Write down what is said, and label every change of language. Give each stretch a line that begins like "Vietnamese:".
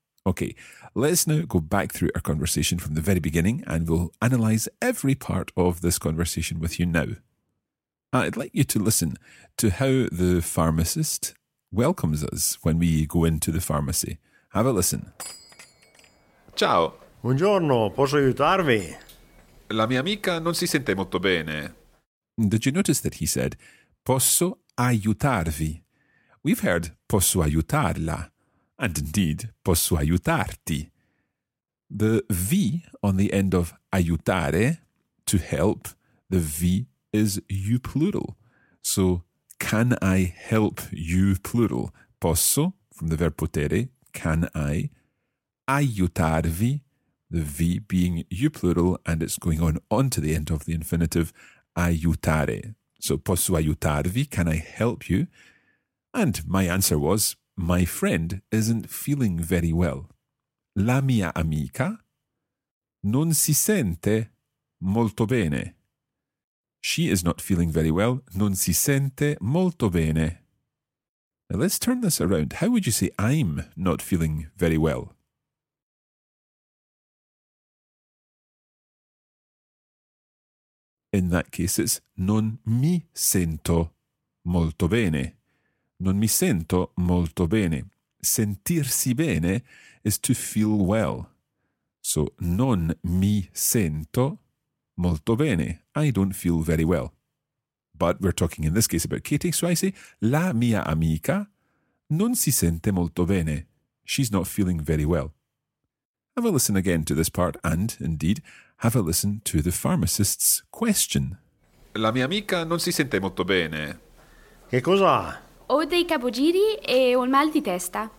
English: Okay, let's now go back through our conversation from the very beginning and we'll analyse every part of this conversation with you now. I'd like you to listen to how the pharmacist welcomes us when we go into the pharmacy. Have a listen.
Italian: Ciao. Buongiorno, posso aiutarvi? La mia amica non si sente molto bene.
English: Did you notice that he said,
Italian: posso aiutarvi?
English: We've heard,
Italian: posso aiutarla,
English: and indeed,
Italian: posso aiutarti.
English: The V on the end of aiutare, to help, the V is you plural. So, can I help you plural? Posso, from the verb potere, can I, aiutarvi, the V being you plural, and it's going on to the end of the infinitive, aiutare. So,
Italian: posso aiutarvi,
English: can I help you? And my answer was, my friend isn't feeling very well.
Italian: La mia amica non si sente molto bene.
English: She is not feeling very well.
Italian: Non si sente molto bene.
English: Now let's turn this around. How would you say I'm not feeling very well? In that case, it's
Italian: non mi sento molto bene. Non mi sento molto bene. Sentirsi bene
English: is to feel well.
Italian: So, non mi sento molto bene.
English: I don't feel very well. But we're talking in this case about Katie, so I say,
Italian: la mia amica non si sente molto bene.
English: She's not feeling very well. Have a listen again to this part and, indeed, have a listen to the pharmacist's question.
Italian: La mia amica non si sente molto bene. Che cosa? Ho dei capogiri e ho un mal di testa.